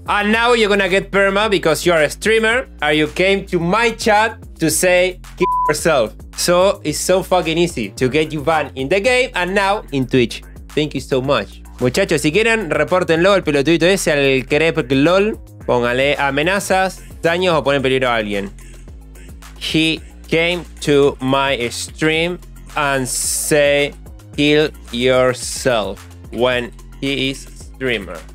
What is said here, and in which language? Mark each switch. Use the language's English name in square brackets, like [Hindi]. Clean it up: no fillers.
[English] And now you're gonna get perma because you are a streamer and you came to my chat to say kill yourself. So it's so fucking easy to get you banned in the game and now in Twitch. Thank you so much. [Spanish] Muchachos, si quieren, repórtenlo al pelotudito ese, al CrepLol. Póngale amenazas, daños o ponen peligro a alguien. [English] He came to my stream and say kill yourself when he is streamer.